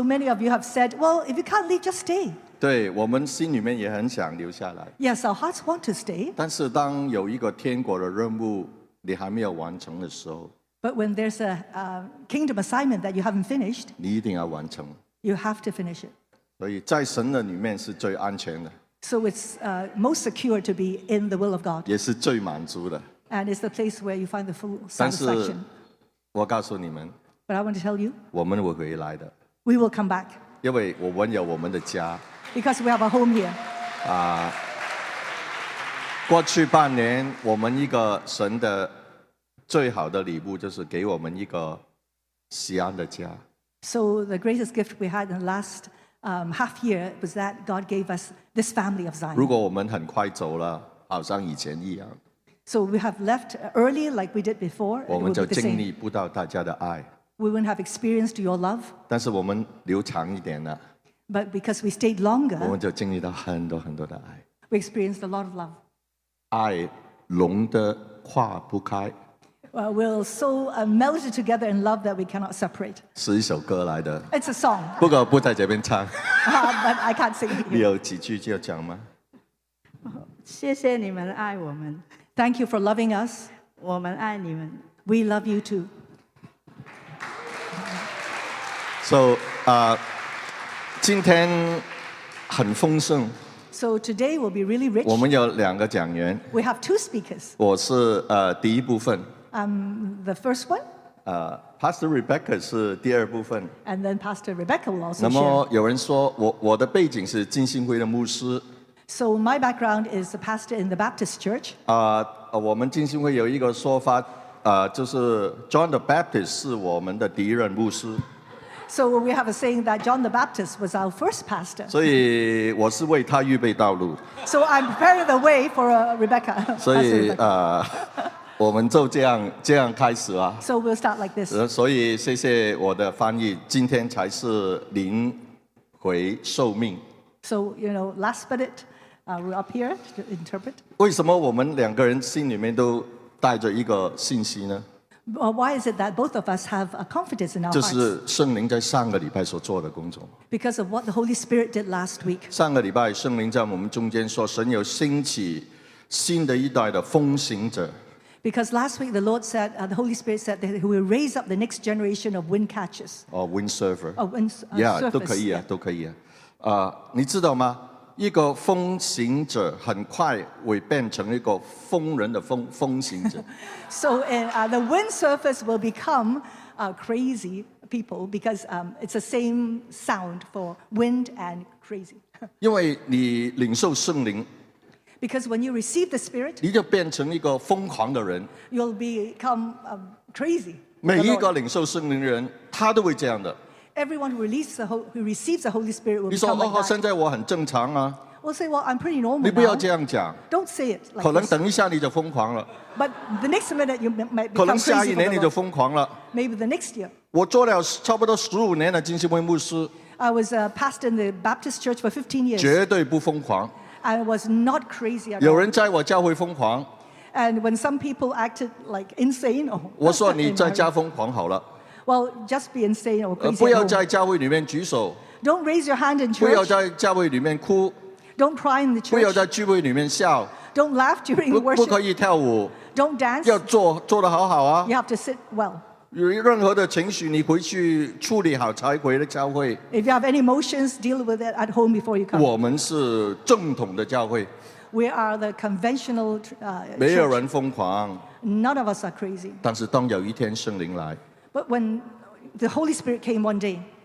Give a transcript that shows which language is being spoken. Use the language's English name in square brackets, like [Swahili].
[English] many of you have said, well, if you can't leave, just stay. [Chinese] 对，我们心里面也很想留下来。 [English] Yes, our hearts want to stay. [Chinese] 但是当有一个天国的任务你还没有完成的时候。 [English] But when there's a kingdom assignment that you haven't finished, [Chinese] 你一定要完成。 [English] You have to finish it. [Chinese] 所以在神的里面是最安全的。 [English] So it's most secure to be in the will of God. [Chinese] 也是最满足的。 [English] And it's the place where you find the full satisfaction. [Chinese] 我告诉你们, [English] but I want to tell you, [Chinese] 我们会回来的, [English] we will come back. [Chinese] 因为我们有我们的家, [English] because we have a home here. [Chinese] 过去半年, 我们一个神的最好的礼物就是给我们一个西安的家。 [English] So the greatest gift we had in the last half year was that God gave us this family of Zion. [Chinese] 如果我们很快走了, 好像以前一样, [English] so we have left early like we did before. We wouldn't have experienced your love. [Chinese] 但是我们留长一点了, [English] but because we stayed longer, we experienced a lot of love. [Chinese] 爱浓得化不开, [English] well, we're so melted together in love that we cannot separate. [Chinese] 是一首歌来的, [English] it's a song. [Chinese] 不过不在这边唱, [English] but I can't sing. [Chinese] 你有几句就讲吗? 谢谢你们爱我们。 [English] Thank you for loving us. [Chinese] 我们爱你们。 [English] We love you too. [Chinese] So, 今天很丰盛。 [English] So today will be really rich. [Chinese] 我们有两个讲员。 [English] We have two speakers. [Chinese] 我是, 第一部分。 [English] I'm the first one. [Chinese] Pastor Rebecca 是第二部分。 [English] And then Pastor Rebecca will also share. [Chinese] 那么有人说我的背景是金星会的牧师。 [English] So my background is a pastor in the Baptist Church. [Chinese] 我们金星会有一个说法, 就是 John the Baptist 是我们的第一任牧师。 [English] So we have a saying that John the Baptist was our first pastor. [Chinese] 所以我是为他预备道路。 [English] So I'm preparing the way for Rebecca. [Chinese] 所以 我们就这样开始啊。 [English] So we'll start like this. [Chinese] 所以谢谢我的翻译，今天才是灵回受命。 [English] So you know, last bit. We're up here to interpret. [Chinese] 为什么我们两个人心里面都带着一个信息呢? [English] Well, why is it that both of us have a confidence in our hearts? [Chinese] 就是圣灵在上个礼拜所做的工作。 [English] Because of what the Holy Spirit did last week. [Chinese] 上个礼拜圣灵在我们中间说神有兴起新的一代的奉行者。 [English] Because last week the Lord said, the Holy Spirit said that He will raise up the next generation of wind catchers. Or wind surfer. Or wind surfers. [Chinese] Yeah, 都可以啊。你知道吗？一个风行者很快会变成一个疯人的风行者。 [English] So the wind surfers will become crazy people because it's the same sound for wind and crazy. [Chinese] 因为你领受圣灵。 [English] Because when you receive the Spirit, [Chinese] 你就变成一个疯狂的人。 [English] You'll become crazy. [Chinese] 每一个领受圣灵的人，他都会这样的。 [English] Everyone who receives the Holy, who receives the Holy Spirit will become like that. [Chinese] 你说，现在我很正常啊。 [English] We'll say, well, I'm pretty normal. [Chinese] 你不要这样讲。 [English] Don't say it. [Chinese] 可能等一下你就疯狂了。 [English] But the next minute you might become crazy. [Chinese] 可能下一年你就疯狂了。 [English] Maybe the next year. [Chinese] 我做了差不多15年的浸信会牧师。 [English] I was a pastor in the Baptist Church for 15 years. [Chinese] 绝对不疯狂。 [English] I was not crazy at all. [Chinese] 有人在我教会疯狂。 [English] And when some people acted like insane, oh. [Chinese] 我说你在家疯狂好了。 [English] Well, just be insane or crazy. [Chinese] 不要在教会里面举手。 [English] Don't raise your hand in church. [Chinese] 不要在教会里面哭。 [English] Don't cry in the church. [Chinese] 不要在聚会里面笑。 [English] Don't laugh during the worship. [Chinese] 不可以跳舞。 [English] Don't dance. [Chinese] 要坐得好好啊。 [English] You have to sit well. [Chinese] 有任何的情绪，你回去处理好才回的教会。 [English] If you have any emotions, deal with it at home before you come. [Chinese] 我们是正统的教会。 [English] We are the conventional church. [Chinese] 没有人疯狂。 [English] None of us are crazy. [Chinese] 但是当有一天圣灵来。 [English] But when the Holy Spirit came one day,